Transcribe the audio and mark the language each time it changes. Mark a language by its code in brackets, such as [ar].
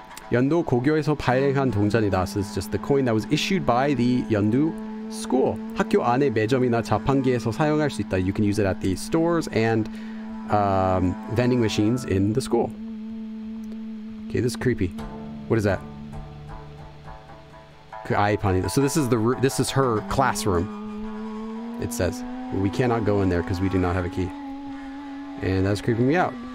[ko] 연두 고교에서 발행한 동전이다. [en] So it's just the coin that was issued by the 연두 school. [ko] 학교 안에 매점이나 자판기에서 사용할 수 있다. [en] You can use it at the stores and vending machines in the school. Okay, this is creepy. What is that? So this is the this is her classroom. It says we cannot go in there because we do not have a key, and that's creeping me out.